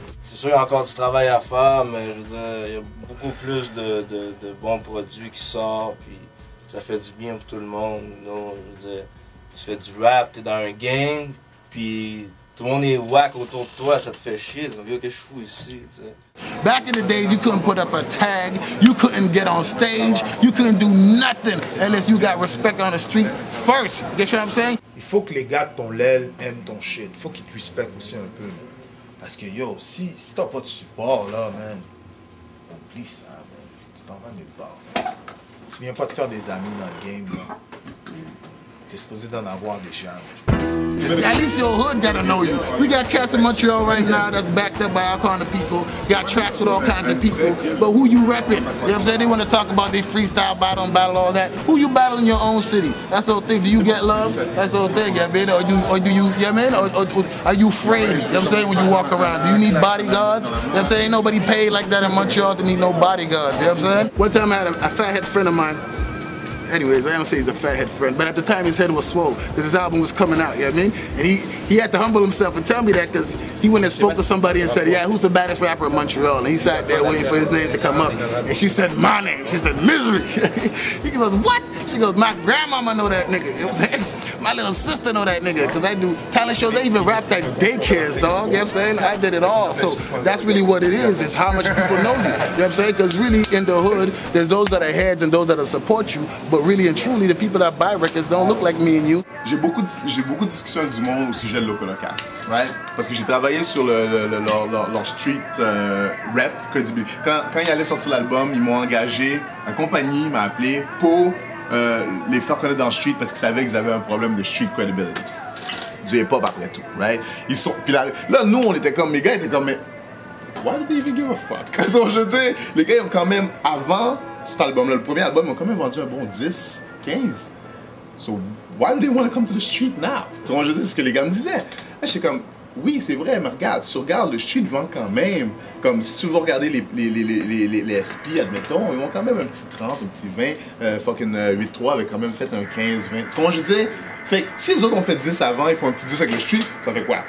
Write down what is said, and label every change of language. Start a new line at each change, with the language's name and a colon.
French: C'est sûr qu'il y a encore du travail à faire, mais je veux dire, il y a beaucoup plus de bons produits qui sortent, puis ça fait du bien pour tout le monde.
English: You know?
French: Je veux dire, tu fais du rap, t'es dans un gang, puis tout le monde est whack autour de toi, ça te fait chier, donc vieux que je fous ici. Tu sais.
English: Back in the days, you couldn't put up a tag, you couldn't get on stage, you couldn't do nothing unless you got respect on the street first. You get what I'm saying?
French: Il faut que les gars de ton l'aile aiment ton shit. Il faut qu'ils te respectent aussi un peu. Man. Parce que yo, si t'as pas de support là, man, oublie ça, man. Tu t'en vas nulle part. Tu viens pas te faire des amis dans le game, là. T'es supposé d'en avoir déjà, man.
English: At least your hood gotta know you. We got cats in Montreal right now that's backed up by all kinds of people. Got tracks with all kinds of people. But who you repping? You know what I'm saying? They want to talk about their freestyle battle, all that. Who you battling in your own city? That's the whole thing. Do you get love? That's the whole thing, you know what I mean? Or are you afraid? You know what I'm saying? When you walk around, do you need bodyguards? You know what I'm saying? Ain't nobody paid like that in Montreal to need no bodyguards. You know what I'm saying? One time I had a fathead friend of mine. Anyways, I don't say he's a fathead friend, but at the time his head was swole because his album was coming out, you know what I mean? And he had to humble himself and tell me that because he went and spoke to somebody and said, yeah, who's the baddest rapper in Montreal? And he sat there waiting for his name to come up. And she said, my name. She said, Misery. He goes, what? She goes, my grandmama know that nigga. You know what I'm saying? My little sister know that nigga, because I do talent shows. They even rap at daycares, dog. You know what I'm saying? I did it all. So that's really what it is. It's how much people know you. You know what I'm saying? Because really, in the hood, there's those that are heads and those that are support you. But really and truly, the people that buy records don't look like me and you.
French: J'ai beaucoup de discussions du monde au sujet de Localocas, right? Parce que j'ai travaillé sur leur street rap credibility. Quand ils allaient sortir l'album, ils m'ont engagé, la compagnie m'a appelé pour les faire connaître dans le street parce qu'ils savaient qu'ils avaient un problème de street credibility. Du hip-hop après tout, right? Ils sont, puis là, nous, on était comme, mes gars étaient comme, mais
English: why do they even give a fuck?
French: Ils ont, je dis, les gars, ils ont quand même, avant cet album-là, le premier album, ils ont quand même vendu un bon 10, 15.
English: So, why do they want to come to the street now?
French: Tu vois, je dis, c'est ce que les gars me disaient. Là, j'étais comme, oui, c'est vrai, mais regarde, tu regardes, le street vend quand même. Comme si tu veux regarder les SP, admettons, ils ont quand même un petit 30, un petit 20. Fucking 8-3 avait quand même fait un 15, 20. Tu vois, je dis, fait si les autres ont fait 10 avant, ils font un petit 10 avec le street, ça fait quoi?